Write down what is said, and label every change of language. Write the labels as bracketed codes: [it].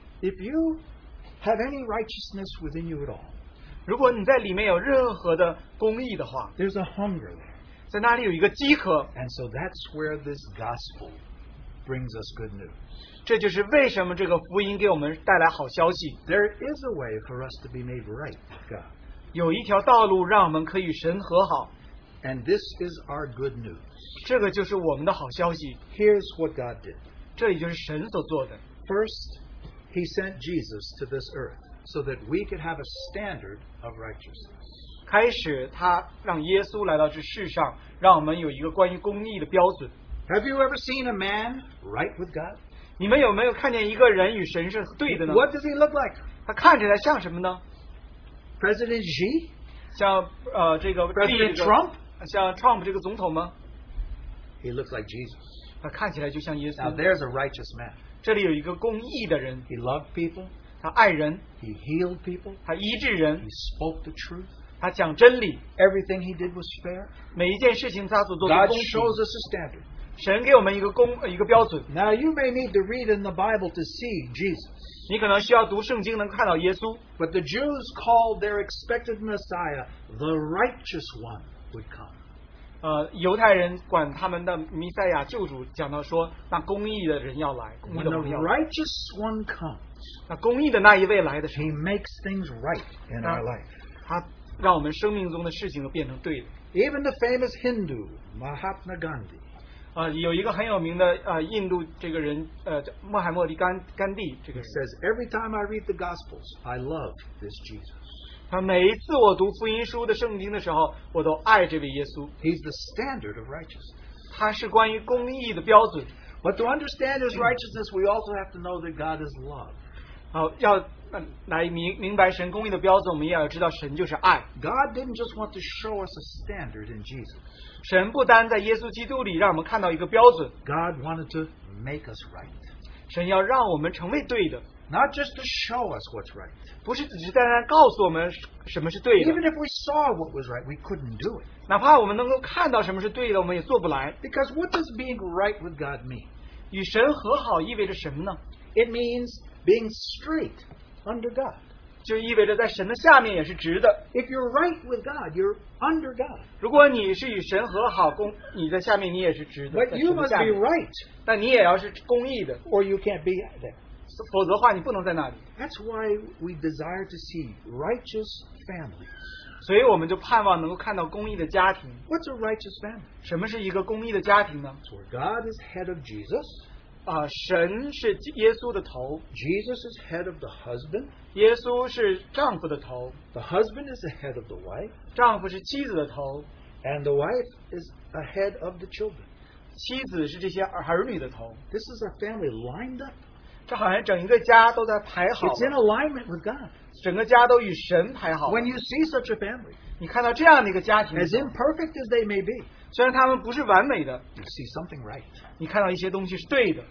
[en] If you have any righteousness within you at all, [zh] 如果你在里面有任何的公义的话, [en] there's a hunger there. [zh] 在那里有一个饥渴。 [en] And so that's where this gospel brings us good news. [zh] 这就是为什么这个福音给我们带来好消息。 [en] There is a way for us to be made right with God. [zh] 有一条道路让我们可以与神和好。 [en] And this is our good news. [zh] 这个就是我们的好消息。 [en] Here's what God did. [zh] 这里就是神所做的。 [en] First, he sent Jesus to this earth so that we could have a standard of righteousness. [zh] 开始他让耶稣来到这世上, 让我们有一个关于公义的标准。 [en] Have you ever seen a man right with God? [zh] 你们有没有看见一个人与神是对的呢? [en] What does he look like? [zh] 他看起来像什么呢? [en] President Xi? [zh] 像, [en] President Trump? [zh] 像Trump这个总统吗? [en] He looks like Jesus. [zh] 他看起来就像耶稣。 [en] Now there's a righteous man. [zh] 这里有一个公义的人。 [en] He loved people. [zh] 他爱人。 [en] He healed people. [zh] 他医治人。 [en] He spoke the truth. [zh] 他讲真理。 [en] Everything he did was fair. [zh] 每一件事情他所做的公平。 [en] God shows us a standard. [zh] 神给我们一个公一个标准。 [en] Now you may need to read in the Bible to see Jesus. [zh] 你可能需要读圣经能看到耶稣。 [en] But the Jews called their expected Messiah the righteous one would come. [zh] 犹太人管他们的弥赛亚救主讲到说，那公义的人要来，公义的人要来。 [en] When the righteous one comes. [zh] 那公义的那一位来的时候。 [en] He makes things right in our life. [zh] 他让我们生命中的事情都变成对的。 [en] Even the famous Hindu Mahatma Gandhi. [zh] 有一个很有名的印度这个人穆罕默德甘地这个人。 [en] He says, every time I read the Gospels, I love this Jesus. [zh] 他每一次我读福音书的圣经的时候，我都爱这位耶稣。 [en] He's the standard of righteousness. [zh] 他是关于公义的标准。 [en] But to understand his righteousness, we also have to know that God is love. [zh] 要来明白神公义的标准，我们也要知道神就是爱。 [en] God didn't just want to show us a standard in Jesus. [zh] 神不单在耶稣基督里让我们看到一个标准。 [en] God wanted to make us right. [zh] 神要让我们成为对的。 [en] Not just to show us what's right. [zh] 不是只是单单告诉我们什么是对的。 [en] Even if we saw what was right, we couldn't do it. [zh] 哪怕我们能够看到什么是对的，我们也做不来。 [en] Because what does being right with God mean? [zh] 与神和好意味着什么呢？ [en] It means being straight under God. [zh] 就意味着在神的下面也是直的。 [en] If you're right with God, you're under God. [zh] 如果你是与神和好，你在下面你也是直的。 [en] But you must be right. [zh] 但你也要是公义的。 [en] Or you can't be there. [zh] 否则的话，你不能在那里。 [en] That's why we desire to see righteous families. [zh] 所以我们就盼望能够看到公义的家庭。 [en] What's a righteous family? [zh] 什么是一个公义的家庭呢？ [en] It's where God is head of Jesus. [zh] 神是耶稣的头。 [en] Jesus is head of the husband. [zh] 耶稣是丈夫的头。 [en] The husband is the head of the wife. [zh] 丈夫是妻子的头。 [en] And the wife is the head of the children. [zh] 妻子是这些儿女的头。 [en] This is a family lined up. [zh] 这好像整一个家都在排好了。 [en] It's in alignment with God. [zh] 整个家都与神排好了。 [en] When you see such a family, [zh] 你看到这样的一个家庭， [en] as imperfect as they may be, [zh] 虽然他们不是完美的， [en] you see something right. [zh] 你看到一些东西是对的。